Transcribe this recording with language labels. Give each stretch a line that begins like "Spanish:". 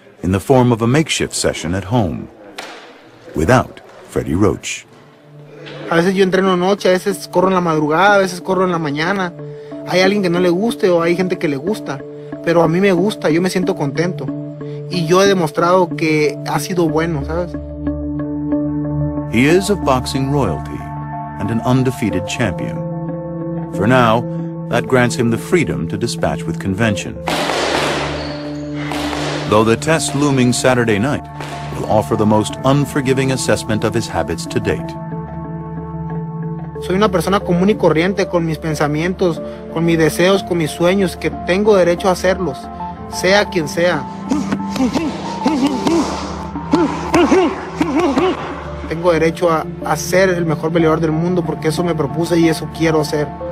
English: in the form of a makeshift session at home, without Freddie Roach.
Spanish: A veces yo entreno noche, a veces corro en la madrugada, a veces corro en la mañana. Hay alguien que no le guste o hay gente que le gusta, pero a mí me gusta, yo me siento contento. Y yo he demostrado que ha sido bueno, ¿sabes?
English: He is of boxing royalty and an undefeated champion. For now, that grants him the freedom to dispatch with convention. Though the test looming Saturday night will offer the most unforgiving assessment of his habits to date.
Spanish: Soy una persona común y corriente con mis pensamientos, con mis deseos, con mis sueños, que tengo derecho a hacerlos, sea quien sea. Tengo derecho a ser el mejor peleador del mundo porque eso me propuse y eso quiero ser.